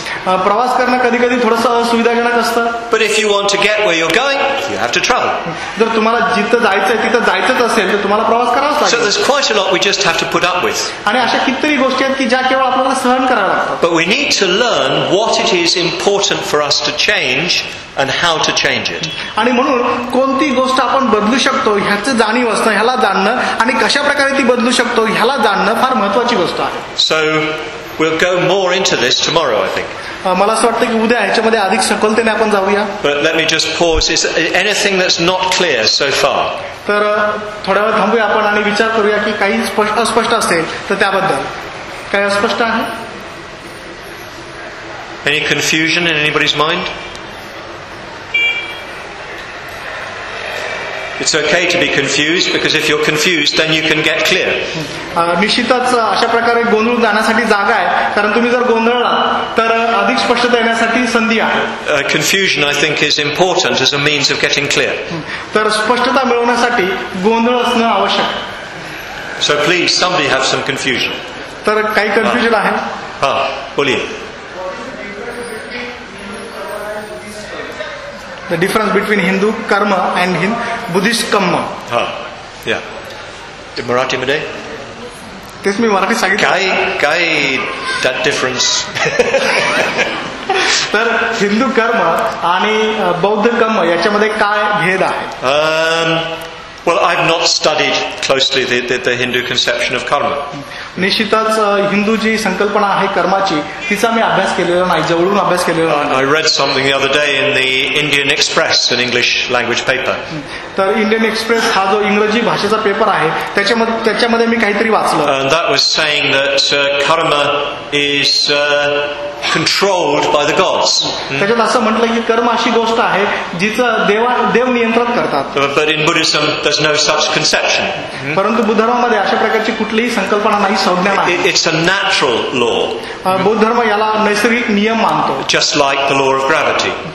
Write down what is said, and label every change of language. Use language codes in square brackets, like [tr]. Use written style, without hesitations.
[mr] प्रवास करणं कधी कधी थोडस असुविधाजनक असतं. [en] But if you want to get where you're going, you have to travel. [mr] जर तुम्हाला जिथं जायचंय तिथं जायचंच असेल तर तुम्हाला प्रवास करावाच लागेल. [en] So there's quite a lot we just have to put up with. [mr] आणि अशा कितीतरी गोष्टी आहेत की ज्या केवळ आपल्याला सहन कराव्या लागतात. [en] But we need to learn what it is important for us to change and how to change it. [mr] आणि म्हणून कोणती गोष्ट आपण बदलू शकतो ह्याचं जाणीव असणं, ह्याला जाणणं आणि कशा प्रकारे ती बदलू शकतो ह्याला जाणणं फार महत्वाची गोष्ट आहे. [en] So we'll go more into this tomorrow, I think. [mr] मला असं वाटतं की उद्या ह्याच्यामध्ये अधिक सखोलतेने आपण जाऊया. [en] But let me just pause. Is anything that's not clear so far? [mr] तर थोडा वेळ थांबूया आपण आणि विचार करूया की काही अस्पष्ट असेल तर त्याबद्दल काय अस्पष्ट आहे. [en] Any confusion in anybody's mind? It's okay to be confused, because if you're confused then you can get clear. [mr] निश्चितच अशा प्रकारे गोंधळून जाण्यासाठी जागा आहे, कारण तुम्ही जर गोंधळला तर अधिक स्पष्टता येण्यासाठी संधी आहे. [en] Confusion I think is important as a means of getting clear. [mr] तर स्पष्टता मिळवण्यासाठी गोंधळ असणं आवश्यक. [en] So please somebody have some confusion. [mr] तर काही कन्फ्युजन आहे. [hi] हा बोलिये. [en] The difference between Hindu karma and Buddhist kamma. [mr] In Marathi mede? Tes mi Marathi sagit. [en] Kai that difference. [mr] Tar Hindu karma ani Buddha kamma yacha mede kay bhed ahe? [en] Well, I've not studied closely the Hindu conception of karma. [mr] निश्चितच हिंदू जी संकल्पना आहे कर्माची तिचा मी अभ्यास केलेला नाही, जवळून अभ्यास केलेला नाही. [en] I read something the other day in the Indian Express, an English language paper. [mr] तर इंडियन एक्सप्रेस हा जो इंग्रजी भाषेचा पेपर आहे त्याच्यामध्ये मी काहीतरी वाचलं. [en] That was saying that karma is controlled by the gods. [mr] त्याच्यात असं म्हटलं की कर्म अशी गोष्ट आहे जिचं देव नियंत्रण करतात. [en] But in Buddhism there's no such conception. [mr] परंतु बुद्ध धर्मामध्ये अशा प्रकारची कुठलीही संकल्पना नाही. [en] It's a natural law. [mr] बौद्ध धर्म याला नैसर्गिक नियम मानतो. [en] Just like the law of gravity.